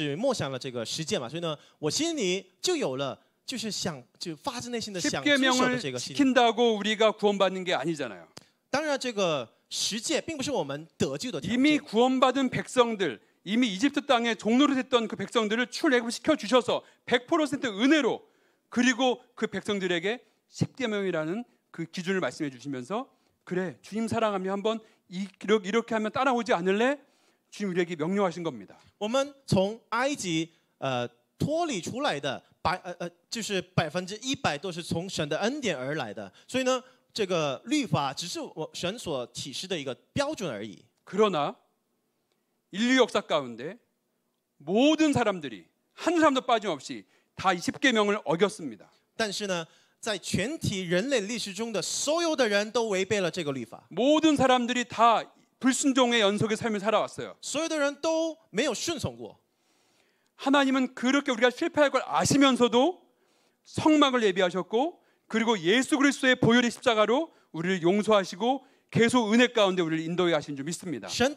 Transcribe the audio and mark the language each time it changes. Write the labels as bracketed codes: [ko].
[zh] 所以我过去一个月的时间内，我一直默想了这个十诫嘛，所以呢，我心里就有了。 [ko] 십계명을 지킨다고 우리가 구원받는 게 아니잖아요. [zh] 当然这个十诫并不是我们得救的条件。 [ko] 이미 구원받은 백성들, 이미 이집트 땅에 종노릇 했던 그 백성들을 출애굽 시켜 주셔서 100% 은혜로 그리고 그 백성들에게 십계명이라는 그 기준을 말씀해 주시면서 그래 주님 사랑하며 한번 이렇게 하면 따라오지 않을래? 주님 우리에게 명령하신 겁니다. [zh] 我们从埃及脱离出来的百就是百分之一百都是从神的恩典而来的所以呢这个律法只是神所启示的一个标准而已 [ko] 그러나 인류 역사 가운데 모든 사람들이 한 사람도 빠짐없이 다 십계명을 어겼습니다. [zh] 但是呢在全体人类历史中的所有的人都违背了这个律法 [ko] 모든 사람들이 다 불순종의 연속의 삶을 살아왔어요. [zh] 所有的人都没有顺从过. [ko] 하나님은 그렇게 우리가 실패할 걸 아시면서도 성막을 예비하셨고 그리고 예수 그리스도의 보혈의 십자가로 우리를 용서하시고 계속 은혜 가운데 우리를 인도해 하신 줄 믿습니다.